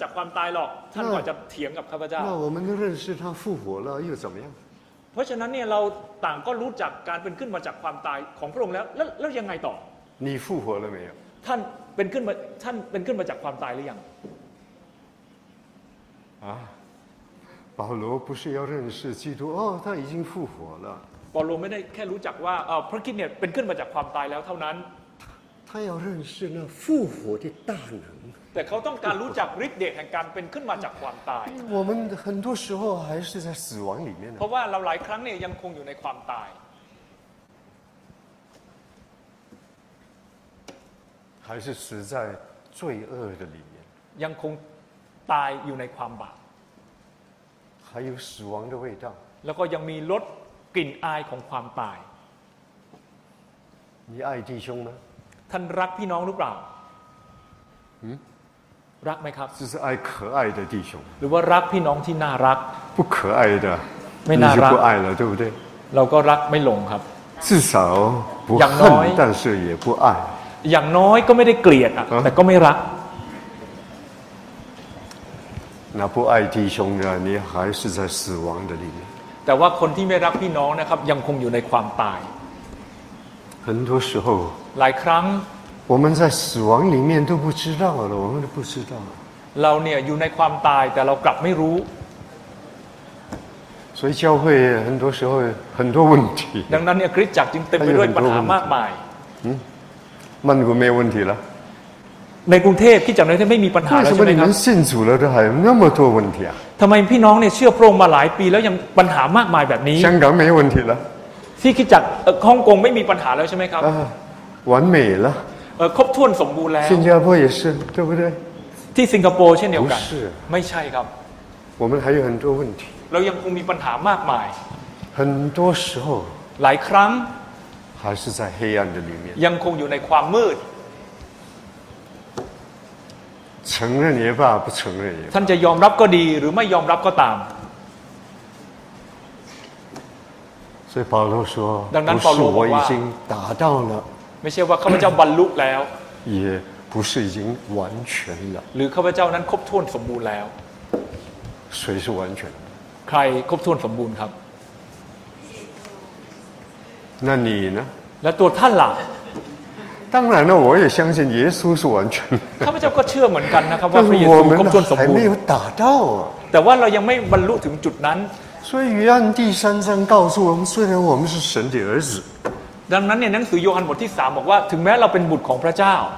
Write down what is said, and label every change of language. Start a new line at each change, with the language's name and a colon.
Thai: จากความตายหรอกท่านก็จะเถียงกับข้าพเจ้าถ้าว่าข้าพเจ้าบอกว่าพระเยซูคริสต์ไม่ได้เป็นขึ้นม าจากความตายหรอกท่านก็จะเถียงกับข้าพเจ้า เพราะฉะนั้นเนี่ยเราต่างก็รู้จักการเป็นขึ้นมาจากความตายของพระองค์แล้วแล้วยังไงต่อ
Chinese: 你复活了没有
Thai: ท่านเป็นขึ้นมาท่านเป็นขึ้นมาจากความตายหรือยัง
Chinese: 保罗不是要认识基督哦，他已经复活了。
Thai: 保罗ไม่ได้แค่รู้จักว่าพระคริสต์เนี่ยเป็นขึ้นมาจากความตายแล้วเท่านั้น
Chinese: 他要认识那复活的大能。
Thai: แต่เขาต้องการรู้จักฤทธิ์เดชแห่งการเป็นขึ้นมาจากความตาย。
Chinese: 我们很多时候还是在死亡里面。
Thai: เพราะว่าเราหลายครั้งเนี่ยยังคงอยู่ในความตาย。
Chinese: 还是死在罪恶的里面。
Thai: ยังคงตายอยู่ในความบาป
English: high of
Chinese: 死亡的味道
Thai: แล้วก็ยังมีรสกลิ่นอายของความตาย
Chinese: 你爱弟兄吗
Thai: ท่านรักพี่น้องหรือเปล่ารักมั้ยครับ
Chinese: 这是爱可爱的弟兄
Thai: หรือว่ารักพี่น้องที่น่ารัก
Chinese: 不可爱的
Thai: ไม่น่ารัก
Chinese: 你就不爱了对不对
Thai: เราก็รักไม่ลงครับ
Chinese: 至少不恨但是也不爱
Thai: อย่างน้อยก็ไม่ได้เกลียดแต่ก็ไม่รัก
Chinese: Na不爱弟兄的你还是在死亡的里面。
Thai: แต่ว่าคนที่ไม่รักพี่น้องนะครับยังคงอยู่ในความตาย。
Chinese: 很多时候。
Thai: หลายครั้ง。
Chinese: 我们在死亡里面都不知道了，我们都不知道。
Thai: เราเนี่ยอยู่ในความตายแต่เรากลับไม่รู้。
Chinese: 所以教会很多时候很多问题。
Thai: ดังนั้นเนี่ยคริสตจักรจึงเต็มไปด้วยปัญหามากมาย。 มันก็ไม่
Chinese: 问题了。
Thai: ในกรุงเทพที่จังหวัดนี้ไม่มีปัญหาแล้วใช่มั้ยครั
Chinese: บ信主了都还那么多问题啊
Thai: ทำไมพี่น้องเนี่ยเชื่อพระองค์มาหลายปีแล้วยังปัญหามากมายแบบนี้
Chinese: 香港没问题了
Thai: ที่คิดจักฮ่องกงไม่มีปัญหาแล้วใช่มั้ยครับ
Chinese: 完美了
Thai: ครบถ้วนสมบูรณ์แล้ว
Chinese: 新加坡也是对不对
Thai: ที่สิงคโปร์เช่นเดียวกัน ไม่ใช่ครับ
Chinese: 我们还有很多问题
Thai: เรายังคงมีปัญหามากมาย
Chinese: 很多时候
Thai: หลายครั้ง
Chinese: 还是在黑暗的里面
Thai: ยังคงอยู่ในความมืด
Chinese: 承认也罢，不承认也罢，
Thai: ท่านจะยอมรับก็ดีหรือไม่ยอมรับก็ตาม
Chinese: 所以保罗说
Thai: ดังนั้นเปาโลบอกว่า
Chinese: 已经达到了
Thai: ไม่ใช่ว่าข้าพเจ้าบรรลุแล้ว
Chinese: 也不是已经完全了
Thai: หรือข้าพเจ้านั้นครบถ้วนสมบูรณ์แล้ว
Chinese: 谁是完全
Thai: ใครครบถ้วนสมบูรณ์ครับ
Chinese: 那你呢
Thai: แล้วตัวท่านล่ะ
Chinese: 当然了我也相信耶稣是完全
Thai: ข้าพเจ้าก็เชื่อเหมือนกันนะครับว่าพระเยซูครบถ้วนสมบูรณ์
Chinese: 还没有达到
Thai: แต่ว่าเรายังไม่บรรลุถึงจุดนั้น
Chinese: 所以约翰第三章告诉我们虽然我们是神的儿子
Thai: ดังนั้นเนี่ยหนังสือโยฮันบทที่3บอกว่าถึงแม้เราเป็นบุตรของพระเจ้า